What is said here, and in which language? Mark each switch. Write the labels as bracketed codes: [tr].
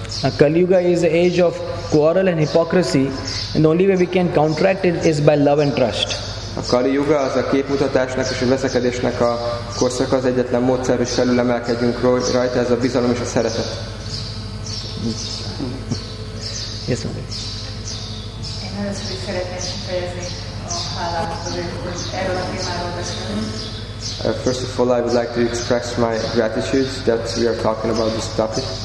[en] A Kali Yuga is the age of quarrel and hypocrisy, and the only way we can counteract it is by love and trust. [hu] A Kali Yuga az a képmutatásnak és a veszekedésnek a korszak, az egyetlen módszer, hogy felülemelkedjünk rajta, ez a bizalom és a szeretet. [en] Yes, ma'am. [hu] Én először [en] is first of all, I would like to express my gratitude that we are talking about this topic.